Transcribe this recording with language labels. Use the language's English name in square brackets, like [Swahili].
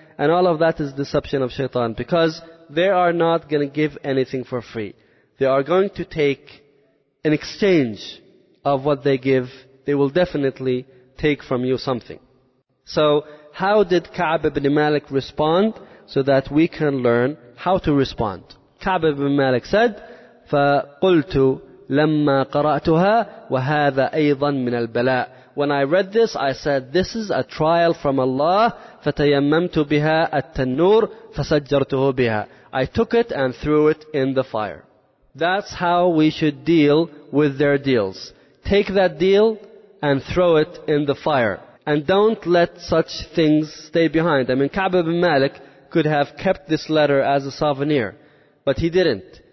[English] And all of that is deception of Shaitan, because they are not going to give anything for free. They are going to take an exchange of what they give. They will definitely take from you something. So how did Ka'b ibn Malik respond, so that we can learn how to respond? Ka'b ibn Malik said, [Arabic] فَقُلْتُ لَمَّا قَرَأْتُهَا وَهَذَا أَيْضًا مِنَ الْبَلَاءِ. [English] When I read this, I said, this is a trial from Allah. [Arabic] فَتَيَمَّمْتُ بِهَا التَّنُّورِ فَسَجَّرْتُهُ بِهَا. [English] I took it and threw it in the fire. That's how we should deal with their deals. Take that deal and throw it in the fire. And don't let such things stay behind. I mean, Ka'b ibn Malik could have kept this letter as a souvenir, but he didn't.